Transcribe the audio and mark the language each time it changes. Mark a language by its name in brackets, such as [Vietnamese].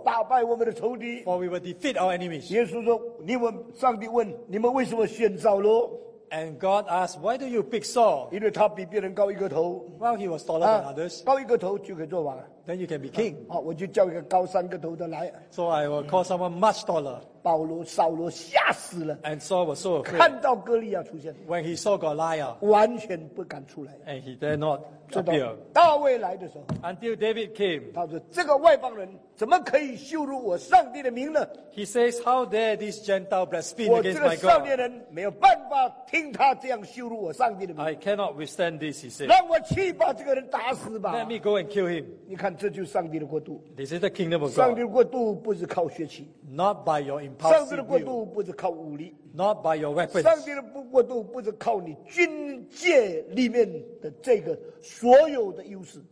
[Chinese] 我们可以打败我们的仇敌, [English] for we will defeat our enemies. [Chinese] 耶稣说, 你们, 上帝问, 你们为什么选扫罗? [English] And God asked, why do you pick Saul? Well, he was taller than others. [Chinese] 高一个头就可以做王, [English] then you can be king. [Chinese] 我就叫一个高三个头的来, [English] so I will call someone much taller. [Chinese] 保罗, 扫罗吓死了, [English] and Saul was so afraid. [Chinese] 看到哥利亚出现, [English] when he saw Goliath, [Chinese] 完全不敢出来, [English] and he dare not appear. [Chinese] 大卫来的时候, [English] until David came, [Chinese] 他说, 这个外邦人, 怎么可以羞辱我上帝的名呢? [English] He says, how dare this Gentile blaspheme against my God? [Chinese] 我这个少年人没有办法听他这样羞辱我上帝的名。 [English] I cannot withstand this, he said. [Chinese] 让我去把这个人打死吧。 [English] Let me go and kill him. [Chinese] 你看这就是上帝的国度。 [English] This is the kingdom of God. [Chinese] 上帝的国度不是靠血气。 [English] Not by your impulsive will. [Chinese] 上帝的国度不是靠武力。 [English] Not by your weapons. [Chinese] 上帝的国度不是靠你军界里面的这个所有的优势。